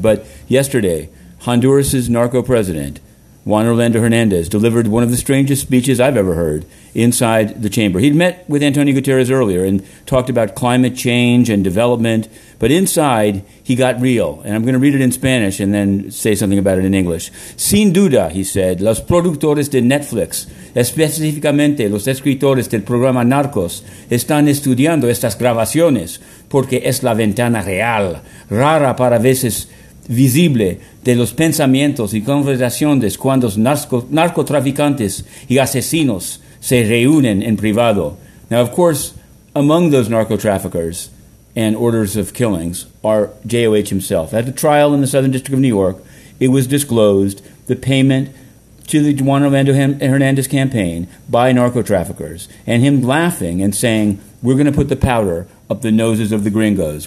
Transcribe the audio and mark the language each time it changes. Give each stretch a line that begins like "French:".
English: But yesterday, Honduras's narco president, Juan Orlando Hernandez, delivered one of the strangest speeches I've ever heard inside the chamber. He'd met with Antonio Guterres earlier and talked about climate change and development, but inside, he got real. And I'm going to read it in Spanish and then say something about it in English.
Spanish: Sin duda,
English: he said,
Spanish: los productores de Netflix, específicamente los escritores del programa Narcos, están estudiando estas grabaciones porque es la ventana real, rara para veces visible de los pensamientos y conversaciones cuando narcotraficantes y asesinos se reúnen en privado.
English: Now, of course, among those narco-traffickers and orders of killings are J.O.H. himself. At the trial in the Southern District of New York, it was disclosed the payment to the Juan Orlando Hernandez campaign by narco-traffickers and him laughing and saying, we're going to put the powder up the noses of the gringos.